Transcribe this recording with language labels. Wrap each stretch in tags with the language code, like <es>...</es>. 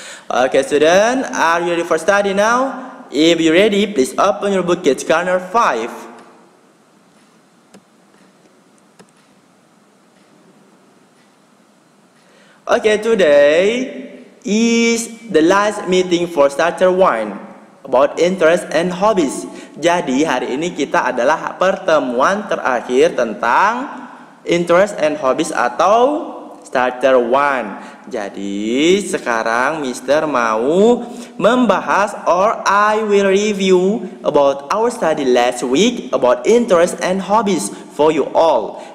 <en>Okay, student, are you ready for study now? If you're ready, please open your book, Kids Corner 5. Okay, today is the last meeting for starter one about interests and hobbies.</en> <id>Jadi, hari ini kita adalah pertemuan terakhir tentang</id> <en>interests and hobbies</en> <id>atau starter one. Jadi sekarang Mister mau membahas</id> <en>or I will review about our study last week about interests and hobbies for you all.</en>